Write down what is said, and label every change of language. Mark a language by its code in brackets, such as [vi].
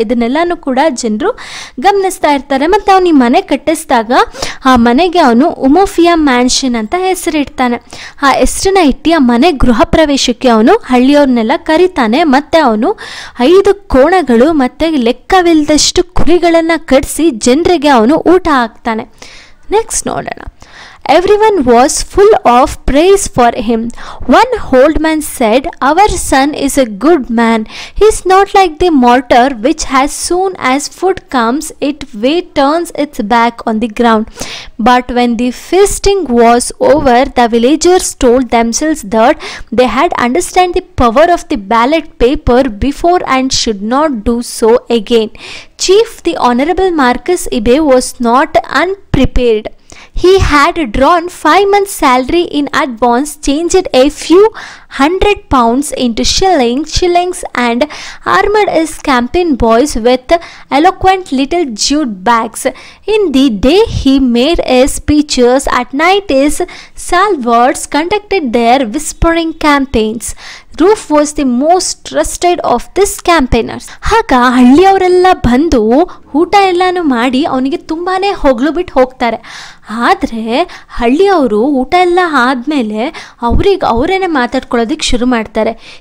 [kn] ಇದನ್ನೆಲ್ಲನೂ ಕೂಡ ಜನರು ಗಮನಿಸ್ತಾ ಇರ್ತಾರೆ. ಮತ್ತು ಅವನು ಈ ಮನೆ ಕಟ್ಟಿಸಿದಾಗ ಆ ಮನೆಗೆ ಅವನು ಉಮೋಫಿಯಾ ಮ್ಯಾನ್ಷನ್ ಅಂತ ಹೆಸರಿಡ್ತಾನೆ. ಆ ಹೆಸರನ್ನ ಇಟ್ಟು ಆ ಮನೆ ಗೃಹ ಪ್ರವೇಶಕ್ಕೆ ಅವನು ಹಳ್ಳಿಯವ್ರನ್ನೆಲ್ಲ ಕರೀತಾನೆ. ಮತ್ತು ಅವನು 5 ಕೋಣಗಳು ಮತ್ತು ಲೆಕ್ಕವಿಲ್ಲದಷ್ಟು ಕುರಿಗಳನ್ನು ಕಡಿಸಿ ಜನರಿಗೆ ಅವನು ಊಟ ಹಾಕ್ತಾನೆ. ನೆಕ್ಸ್ಟ್ ನೋಡೋಣ. [en] Everyone was full of praise for him. One old man said, "Our son is a good man. He is not like the mortar which, as soon as food comes, it turns its back on the ground." But when the feasting was over, the villagers told themselves that they had understood the power of the ballot paper before and should not do so again. Chief, the Honorable Marcus Ibe was not unprepared. He had drawn 5 months salary in advance, changed a few hundred pounds into shillings, and armored his campaign boys with eloquent little jute bags. In the day he made his speeches, at night his salvoers conducted their whispering campaigns. Roof was the most trusted of this campaigners. [kn] ಆಗ ಹಳ್ಳಿಯವರೆಲ್ಲ ಬಂದು ಊಟ ಎಲ್ಲಾನು ಮಾಡಿ ಅವನಿಗೆ ತುಂಬಾ ಹೊಗಳು ಬಿಟ್ಟು ಹೋಗ್ತಾರೆ. ಆದರೆ ಹಳ್ಳಿಯವರು ಊಟ ಎಲ್ಲ ಆದಮೇಲೆ ಅವ್ರಿಗೆ ಅವರೇನೆ ಮಾತಾಡ್ಕೊಳ್ಳೋದಕ್ಕೆ ಶುರು ಮಾಡ್ತಾರೆ.